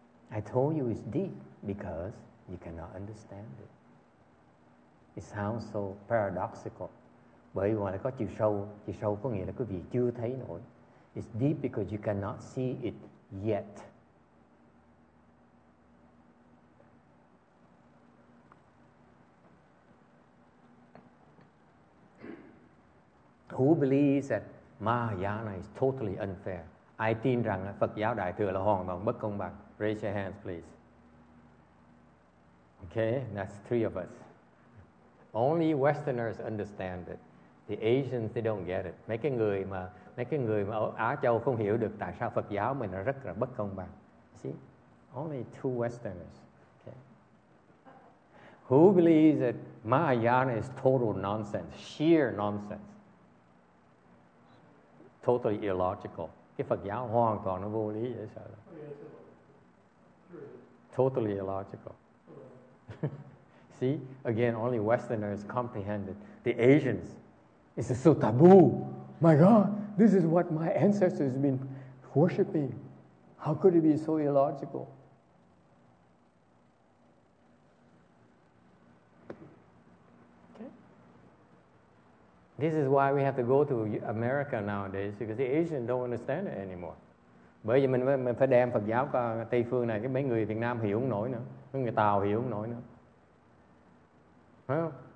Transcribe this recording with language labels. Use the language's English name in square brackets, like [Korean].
[English] I told you it's deep because you cannot understand it. It sounds so paradoxical. [Vietnamese] Bởi vì nó có chiều sâu có nghĩa là quý vị chưa thấy nổi. [English] It's deep because you cannot see it yet. Who believes that Mahayana is totally unfair? [Vietnamese] Ai tin rằng Phật giáo Đại Thừa là hoàn toàn bất công bằng? [English] Raise your hands, please. Okay, that's three of us. Only Westerners understand it. The Asians, they don't get it. [Vietnamese] Mấy cái người mà Á Châu không hiểu được tại sao Phật giáo mình rất là bất công bằng. [English] See? Only two Westerners. Okay. Who believes that Mahayana is total nonsense, sheer nonsense? Totally illogical. [Vietnamese] Cái Phật giáo hoàn toàn nó vô lý vậy sao? [English] Totally illogical. See, again, only Westerners comprehend it. The Asians, it's so taboo. My God, this is what my ancestors have been worshipping. How could it be so illogical? Okay. This is why we have to go to America nowadays, because the Asians don't understand it anymore. [Vietnamese] Bởi vì mình phải đem Phật giáo Tây Phương này, cái mấy người Việt Nam hiểu không nổi nữa. Mấy người Tàu hiểu không nổi nữa.